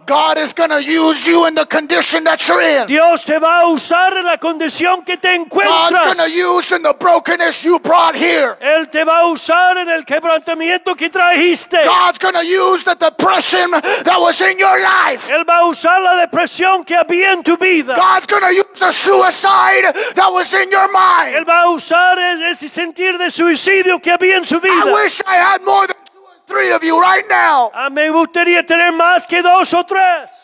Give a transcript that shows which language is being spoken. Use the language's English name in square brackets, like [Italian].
[English] God is going to use you in the condition that you're in. [Spanish] Dios te va a usar en la condición que te encuentras. [English] God's going to use in the brokenness you brought here. [Spanish] Él te va a usar en el quebrantamiento que trajiste. [English] God's going to use the depression that was in your life. [Spanish] Él va a usar la depresión que había en tu vida. [English] God's going to use the suicide that was in your mind. [Spanish] Él va a usar ese sentir de suicidio que había en su vida. [English] I wish I had more than 3 of you right now. [Spanish] Me gustaría tener más que dos o tres.